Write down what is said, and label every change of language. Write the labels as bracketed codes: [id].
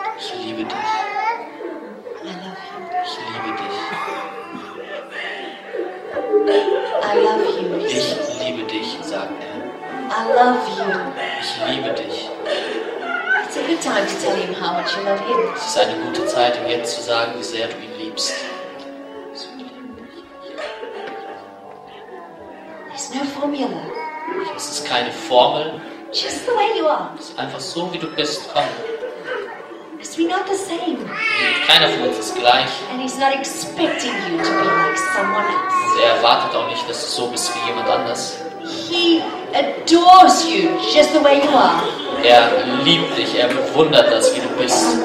[de] Ich liebe dich. [en] I love you. [de] Ich liebe dich. [en] I love you. [de] Ich liebe dich, sagt [en] I love you. [de] Ich liebe dich. [en] It's a good time to tell him how much you love him. [de] Es ist eine gute Zeit, ihm jetzt zu sagen, wie sehr du ihn liebst. [en] There's no formula. [de] Es ist keine Formel. [en] Just the way you are. [de] Es ist einfach so, wie du bist. Komm. [en] Because we're not the same. [de] Keiner von uns ist gleich. [en] And he's not expecting you to be like someone else. [de] Er erwartet auch nicht, dass du so bist wie jemand anders. [en] He adores you just the way you are. [de] Er liebt dich, bewundert das, wie du bist.